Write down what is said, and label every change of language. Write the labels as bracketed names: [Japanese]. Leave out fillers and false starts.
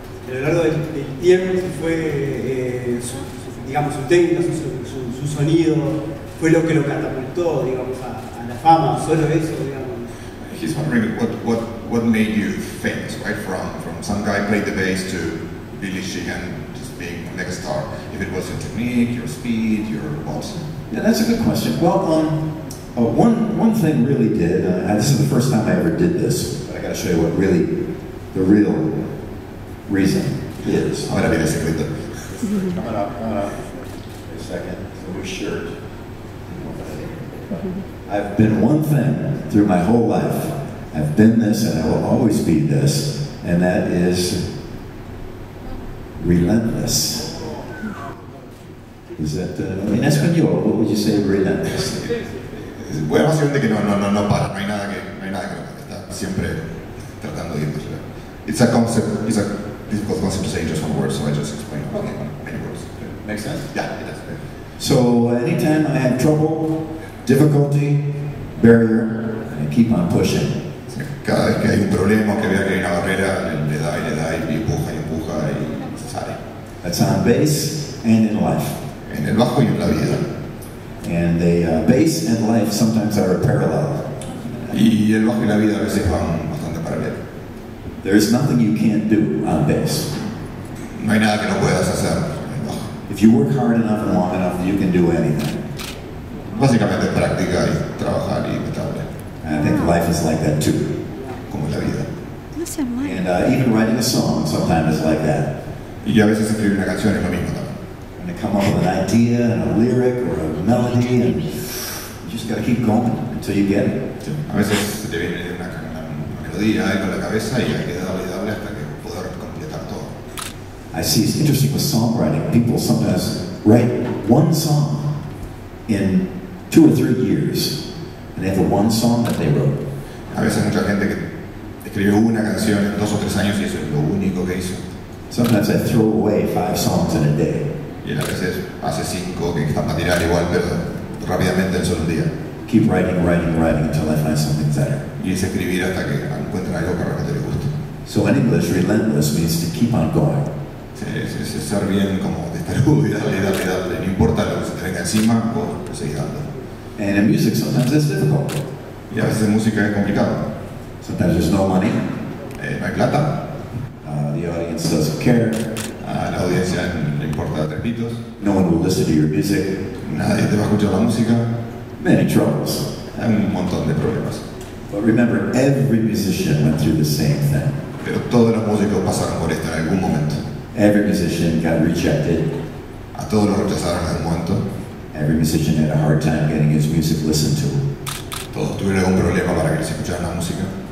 [Spanish] A lo largo del tiempo fue, digamos, su técnica, su sonido, fue lo que lo catapultó, digamos, a la fama, solo eso, digamos. [English] He's wondering what made you famous, right? From some guy played the bass to Billy Sheehan just being next star, if it was your technique, your speed, your what? Yeah, that's a good question. Well, one thing really did, this is the first time I ever did this, but I gotta show you what really, the real reason is. I'm gonna be nice with them. Coming up. Wait a second. So we're shirt. I've been one thing through my whole life. I've been this and I will always be this, and that is relentless. Is that, in Espanol, what would you say relentless? [Spanish] Voy a hacer un de que no para, no hay nada que no está siempre tratando de irnos. [English] It's a concept, it's a difficult concept to say in just one word, so I just explain it in many words. Makes sense? Yeah, it does. So anytime I have trouble, difficulty, barrier, I keep on pushing. [Spanish] Cada vez que hay un problema, que vea que hay una barrera, le da y empuja y sale. [English] That's on bass and in life. [Spanish] En el bajo y en la vida. [English] And the bass and life sometimes are parallel. [Spanish] Y el bajo y la vida a veces van bastante paralelo. [English] There is nothing you can't do on bass. [Spanish] No hay nada que no puedas hacer en bajo. [English] If you work hard enough and long enough, you can do anything. [Spanish] Básicamente es practicar y trabajar y meterle. [English] And I think life is like that too. [Spanish] Como la vida. [English] And even writing a song sometimes is like that. [Spanish] Y a veces escribir una canción es lo mismo también. [English] To come up with an idea and a lyric or a melody, and you just gotta keep going until you get it. [Spanish] A veces se te viene una melodía con la cabeza y hay que darle y darle hasta que poder completar todo. [English] I see it's interesting with songwriting. People sometimes write one song in 2 or 3 years, and they have the one song that they wrote. [Spanish] A veces mucha gente que escribió una canción en 2 o 3 años y eso es lo único que hizo. [English] Sometimes I throw away 5 songs in a day. [Spanish] Y a veces hace 5 que están para tirar igual, pero rápidamente en solo un día. [English] Keep writing until I find something better. [Spanish] Y es escribir hasta que encuentren algo que realmente les guste. [English] So in English, relentless means to keep on going. [Spanish] Es ser bien como de estar y darle. No importa lo que se tenga encima, pues seguir dando. [English] And in music, sometimes it's difficult. [Spanish] Y a veces en música es complicado. [English] Sometimes there's no money. [Spanish] No hay plata. [English] The audience doesn't care. [Spanish] La audiencia le importa tres pitos. [English] No one will listen to your music. [Spanish] Nadie te va a escuchar la música. [English] Many troubles. [Spanish] Un montón de problemas. [English] But remember, every musician went through the same thing. [Spanish] Pero todos los músicos pasaron por esto en algún momento. [English] Every musician got rejected. [Spanish] A todos los rechazaron en algún momento. [English] Every musician had a hard time getting his music listened to. [Spanish] Todos tuvieron algún problema para que les escucharan la música.